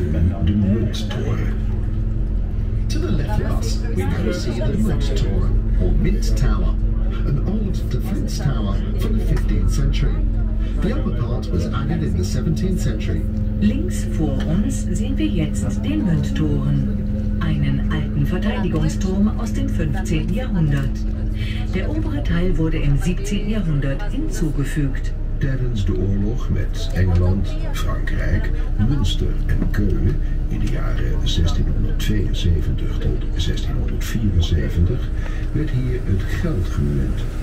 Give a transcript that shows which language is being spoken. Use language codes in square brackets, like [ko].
[en] To the left of us, we now see the Munttoren, or Mint Tower, an old defense tower from the 15th century. The upper part was added in the 17th century. [de] Links vor uns sehen wir jetzt den Munttoren, einen alten Verteidigungsturm aus dem 15. Jahrhundert. Der obere Teil wurde im 17. Jahrhundert hinzugefügt. [nl] Tijdens de oorlog met Engeland, Frankrijk, Münster en Keulen in de jaren 1672 tot 1674 werd hier het geld gemunt.